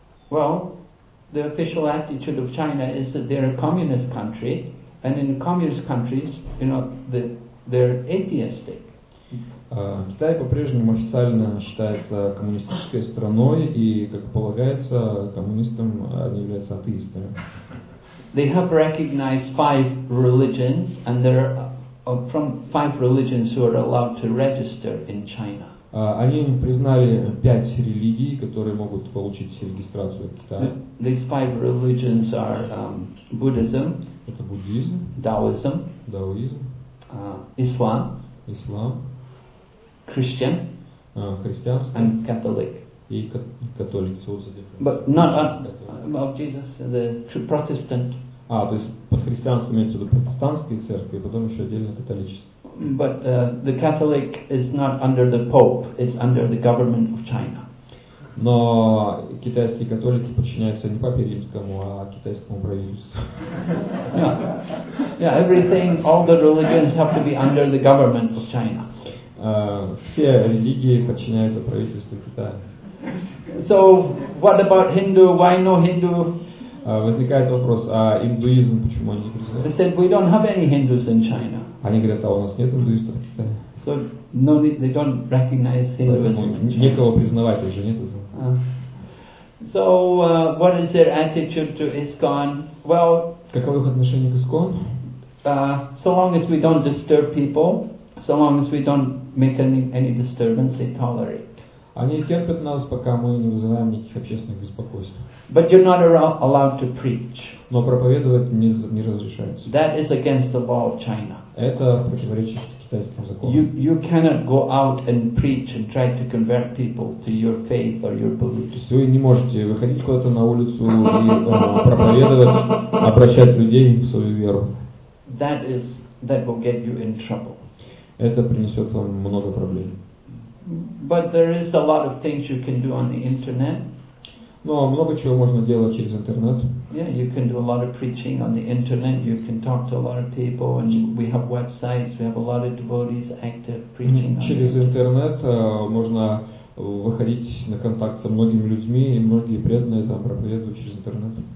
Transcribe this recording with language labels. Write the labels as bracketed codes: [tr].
[en] Well, the official attitude of China is that they're a communist country, and in communist countries, you know, they're atheistic. [ru] Китай по-прежнему официально считается коммунистической страной, и, как полагается, коммунистам они являются атеистами. [en] They have recognized five religions, and there are from five religions who are allowed to register in China. [ru] Они признали пять религий, которые могут получить регистрацию в Китае. [en] These five religions are Buddhism. [ru] Это буддизм. [en] Taoism. [ru] Даоизм. Ислам. Ислам. [en] Christian. [ru] Христианство. [en] And Catholic. [ru] И католик. So [en] but not about Jesus, the Protestant. [ru] А, то есть под христианством имеется в виду протестантские церкви, и потом еще отдельно католические. [en] But the Catholic is not under the Pope, it's under the government of China. [ru] Но китайские католики подчиняются не Папе Римскому, а китайскому правительству. [en] Yeah, everything, all the religions have to be under the government of China. [ru] Все религии подчиняются правительству Китая. [en] So, what about Hindu? Why no Hindu? [ru] Возникает вопрос, а индуизм почему они не признают? [en] They said, we don't have any Hindus in China. [ru] Они говорят, а у нас нет индуистов в Китае. [en] So, no, they don't recognize Hinduism. [ru] Некого признавать уже нету. [en] So, what is their attitude to ISKCON? Well, [ru] каковы их отношения к ISKCON? [en] So long as we don't disturb people, so long as we don't make any disturbance, they tolerate. [ru] Они терпят нас, пока мы не вызываем никаких общественных беспокойств. [en] But you're not allowed to preach. [ru] Но проповедовать не разрешается. [en] That is against the law of China. [ru] Это противоречит китайскому закону. [en] You cannot go out and preach and try to convert people to your faith or your belief. [ru] То есть вы не можете выходить куда-то на улицу и проповедовать, обращать людей в свою веру. [en] That will get you in trouble. [ru] Это принесет вам много проблем. [en] But there is a lot of things you can do on the internet. [ru] Но много чего можно делать через интернет. [en] Yeah, you can do a lot of preaching on the internet. You can talk to a lot of people, and we have websites. We have a lot of devotees active preaching. [ru] Через интернет можно выходить на контакт со многими людьми, и многие преданные там проповедуют через интернет.